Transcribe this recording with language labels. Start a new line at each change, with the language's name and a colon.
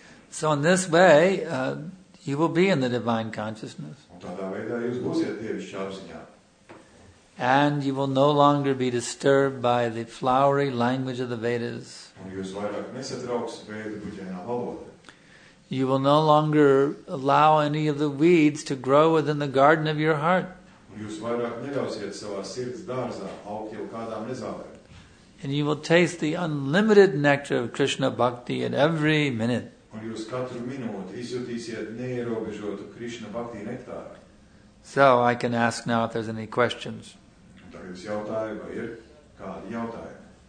English: So in this way, you will be in the divine consciousness.
Latvian: Tādā veidā jūs būsiet dievišķā apziņā.
English: And you will no longer be disturbed by the flowery language of the Vedas.
Latvian: Un jūs vairāk nesatrauks Vēdu buģēnā valodā.
English: You will no longer allow any of the weeds to grow within the garden of your heart.
Latvian: Un jūs vairāk neļausiet savā sirds dārzā augt jau kādām nezālēm.
English: And you will taste the unlimited nectar of Krishna bhakti at every minute.
Latvian: Un jūs katru minūti izjūtīsiet neierobežotu Krishna bhakti nektāru.
English: So I can ask now if there's any questions.
Latvian: Tagad es jautāju, vai ir kādi jautājumi?